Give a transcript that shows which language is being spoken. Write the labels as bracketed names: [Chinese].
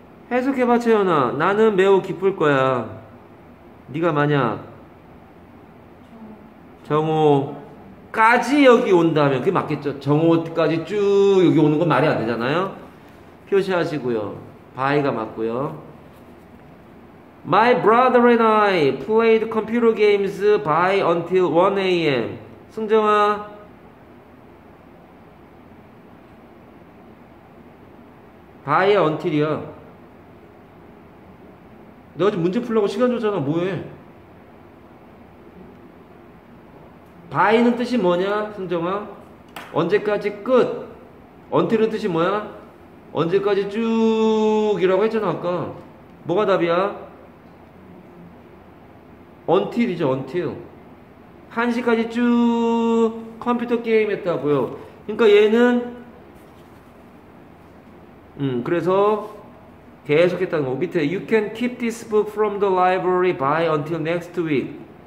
[Korean] 해석해봐 채연아. 나는 매우 기쁠 거야. 네가 만약 정오까지 여기 온다면, 그게 맞겠죠. 정오까지 쭉 여기 오는 건 말이 안 되잖아요. 표시하시고요. by가 맞고요. [English] My brother and I played computer games by until 1 AM. [Korean] 승정아, 바이 until이야. 내가 지금 문제 풀려고 시간 줬잖아. 뭐해? by는 뜻이 뭐냐, 승정아? 언제까지 끝. until은 뜻이 뭐야? 언제까지 쭉이라고 했잖아 아까. 뭐가 답이야? until이죠, until. 1시까지 쭉 컴퓨터 게임 했다고요. 그러니까 얘는 그래서 계속 했다는 거. 밑에 [English] you can keep this book from the library by until next week.